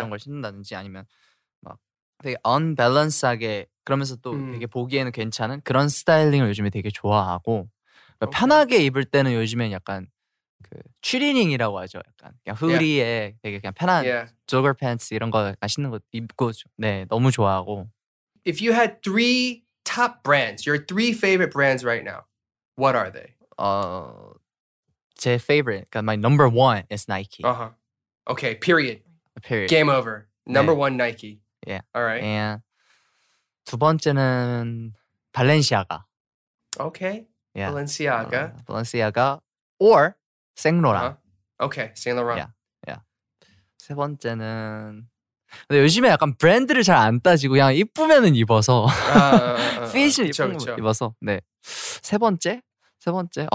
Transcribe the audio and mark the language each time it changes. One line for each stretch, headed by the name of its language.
Korean: 이런 걸 신는다든지 아니면 막 되게 언밸런스하게 그러면서 또 되게 보기에는 괜찮은 그런 스타일링을 요즘에 되게 좋아하고 okay. 편하게 입을 때는 요즘엔 약간 그 트리닝이라고 하죠. 약간 그냥 후리에 yeah. 되게 그냥 편한 조거 yeah. 팬츠 이런 거 약간 신는 거 입고 네 너무 좋아하고
English: If you had three top brands, your three favorite brands right now, what are they? 제 favorite, 그러니까 my number one is Nike. Uh-huh. Okay, period. Period. Game over. Number 네. one, Nike. Yeah. All right.
Korean: And 두 번째는 발렌시아가.
English: Okay. Yeah. Balenciaga. Balenciaga. Or Saint Laurent. Uh-huh. Okay, Saint Laurent. Yeah. Yeah.
Korean: 세 번째는 근데 요즘에 약간 브랜드를 잘 안 따지고 그냥 이쁘면은 입어서 핏을 입어서 네. 세 번째? 세 번째?